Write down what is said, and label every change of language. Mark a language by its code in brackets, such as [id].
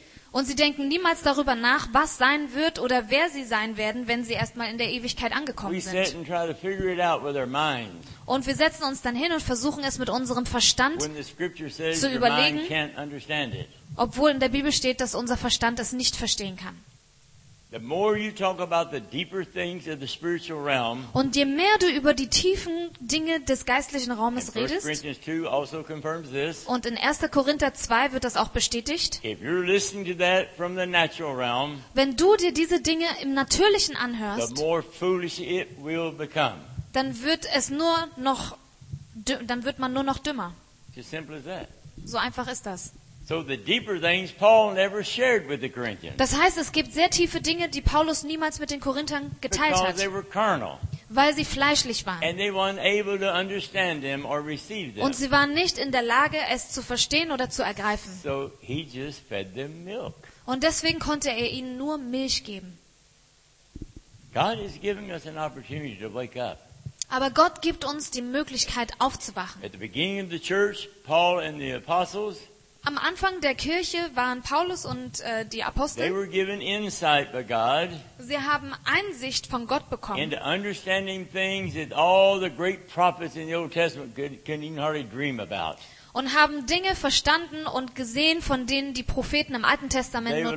[de] Und sie denken niemals darüber nach, was sein wird oder wer sie sein werden, wenn sie erstmal in der Ewigkeit angekommen sind. Und wir setzen uns dann hin und versuchen es mit unserem Verstand zu überlegen, obwohl in der Bibel steht, dass unser Verstand es nicht verstehen kann. [en] The more you talk about the deeper things of the spiritual realm, [de] und je mehr du über die tiefen Dinge des geistlichen Raumes redest, [en] 1 Corinthians 2 also confirms this, [de] und in 1. Korinther 2 wird das auch bestätigt, [en] if you're listening to that from the natural realm, [de] wenn du dir diese Dinge im Natürlichen anhörst, [en] the more foolish it will become. [de] Dann wird man nur noch dümmer. [en] It's as simple as that. [de] So einfach ist das. [en] So the deeper things Paul never shared with the Corinthians. [de] Das heißt, es gibt sehr tiefe Dinge, die Paulus niemals mit den Korinthern geteilt hat. [en] Because they were carnal. [de] Weil sie fleischlich waren. [en] And they weren't able to understand them or receive them. [de] Und sie waren nicht in der Lage, es zu verstehen oder zu ergreifen. [en] So he just fed them milk. [de] Und deswegen konnte er ihnen nur Milch geben. [en] God is giving us an opportunity to wake up. [de] Aber Gott gibt uns die Möglichkeit aufzuwachen. [en] At the beginning of the church, Paul and the apostles, [de] am Anfang der Kirche waren Paulus und die Apostel, [en] they were given insight by God, [de] sie haben Einsicht von Gott bekommen, [en] into understanding things that all the great prophets in the Old Testament could even hardly dream about. [de] Und haben Dinge verstanden und gesehen, von denen die Propheten im Alten Testament nur